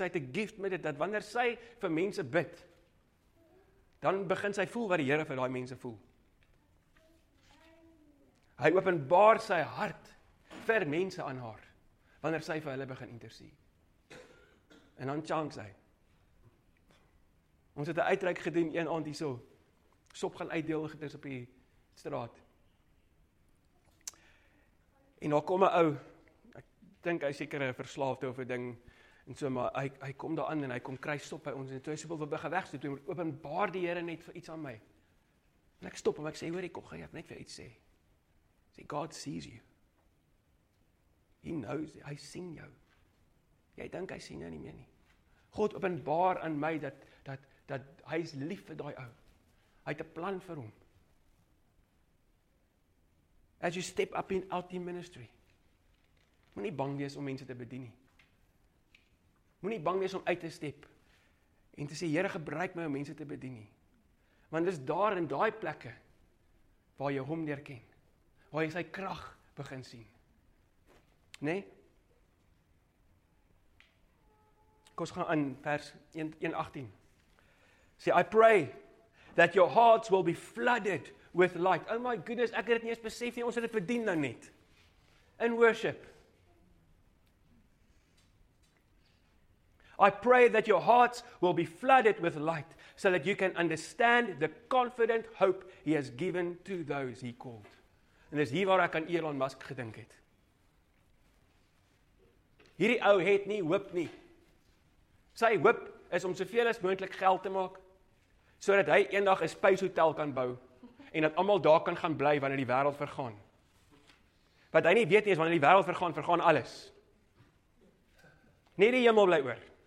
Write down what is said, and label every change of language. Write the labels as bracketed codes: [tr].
[af] Sy het 'n gift met dit, dat wanneer sy vir mense bid, dan begin sy voel wat die Here vir daai mense voel. Hy openbaar sy hart vir mense aan haar, wanneer sy vir hulle begin intercede. En dan chants hy. Ons het 'n uitreik gedoen een aand hierso. Sop gaan uitdeel gedoen op die straat. En daar kom 'n ou, ek dink hy seker 'n verslaafde of 'n ding, en so, maar hy kom daar aan en hy kom kry stop by ons, en toe hy soveel wil begin wegstoot, toe openbaar die Here net vir iets aan my. En ek stop hom, ek sê, hoor, ek kom gaan, ek heb net vir iets sê. Sê, [en] God sees you. He knows, [af] hy sien jou. Jy dink hy sien jou nie meer nie. God openbaar aan my dat hy is lief vir daai ou. Hy het 'n plan vir hom. [en] As you step up in out in ministry. [af] Moenie bang wees om mense te bedien nie. Moenie bang wees om uit te step en te sê Here gebruik my om mense te bedien nie. Want dis daar in daai plekke waar jy hom leer ken. Waar jy sy krag begin sien. Nê? Nee? Kom gaan in vers 1:18. [en] Sê, I pray that your hearts will be flooded with light. [af] Oh my goodness, ek het dit nie eens besef nie, ons het dit verdien nou net. In worship. [en] I pray that your hearts will be flooded with light so that you can understand the confident hope he has given to those he called. [af] En dis hier waar ek aan Elon Musk gedink het. Hierdie ou het nie hoop nie. Sy hoop is om soveel as moontlik geld te maak sodat hy eendag 'n space hotel kan bou en dat almal daar kan gaan bly wanneer die wêreld vergaan. Wat hy nie weet nie is wanneer die wêreld vergaan, vergaan alles. Net die hemel bly oor.